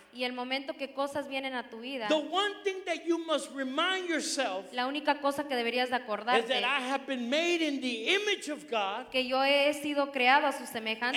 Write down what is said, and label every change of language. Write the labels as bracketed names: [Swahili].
[Spanish] y el momento que cosas vienen a tu vida, [English] the one thing that you must remind yourself, [Spanish] la única cosa que deberías de acordarte, [English] is that I have been made in the image of God, [Spanish] que yo he sido creado a su semejanza